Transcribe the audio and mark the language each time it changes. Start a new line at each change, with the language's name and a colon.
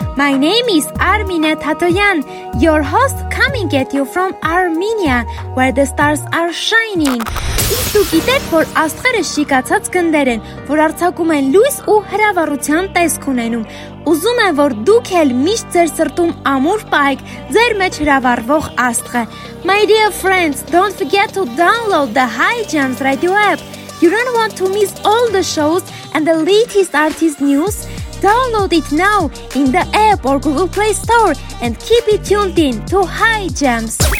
English: My name is Armine Tatoyan, your host, coming at you from Armenia, where the stars are shining.
Armenian: Իսկ գիտեք, որ աստղերը շիկացած գնդեր են, որ արձակում են լույս ու հրավառության տեսք ունենում։ Ուզում եմ, որ դուք էլ միշտ ձեր սրտում ամուր պահեք ձեր մեջ հրավառվող աստղը.
English: My dear friends, don't forget to download the High Jams Radio app. You don't want to miss all the shows and the latest artist news? Download it now in the app or Google Play Store and keep it tuned in to High Jams.